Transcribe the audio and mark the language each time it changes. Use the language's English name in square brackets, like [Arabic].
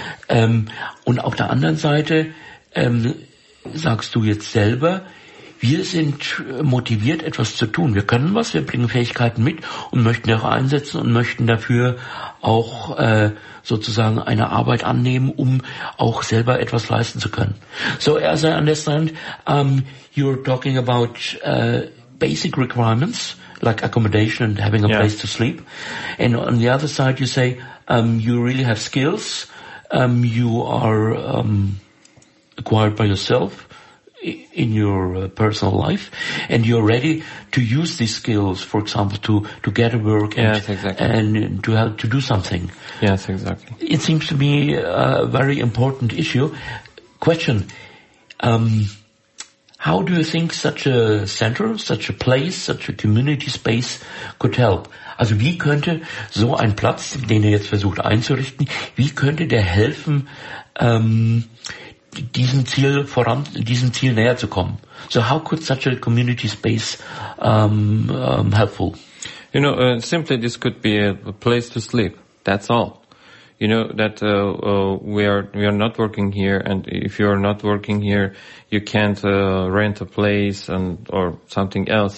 [German] Und auf der anderen Seite sagst du jetzt selber, wir sind motiviert, etwas zu tun. Wir können was, wir bringen Fähigkeiten mit und möchten auch einsetzen und möchten dafür auch sozusagen eine Arbeit annehmen, um auch selber etwas leisten zu können. [English] So, as I understand, you're talking about basic requirements, like accommodation and having a place to sleep. And on the other side, you say you really have skills. You are acquired by yourself in your personal life, and you're ready to use these skills, for example, to get a work and to help to do something. Yes, exactly. It seems to me a very important issue. Question, how do you think such a center, such a place, such a community space could help? [German] Also wie könnte so ein Platz, den ihr jetzt versucht einzurichten, wie könnte der helfen, diesem Ziel näher zu kommen? [English] So how could such a community space helpful? You know, simply this could be a place to sleep. That's all. You know that we are not working here, and if you are not working here, you can't rent a place or something else.